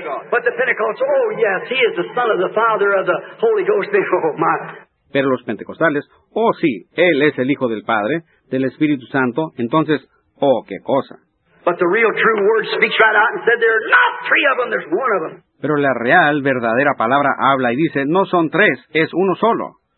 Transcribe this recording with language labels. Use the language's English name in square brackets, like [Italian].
[English] But the Pentecost, oh yes, he is the son of the Father of the Holy Ghost. Oh my. [Spanish] Pero los pentecostales, oh sí, él es el Hijo del Padre, del Espíritu Santo, entonces, oh, qué cosa. [English] But the real true word speaks right out and said there are not three of them, there's one of them. [Spanish] Pero la real, verdadera palabra habla y dice, no son tres, es uno solo.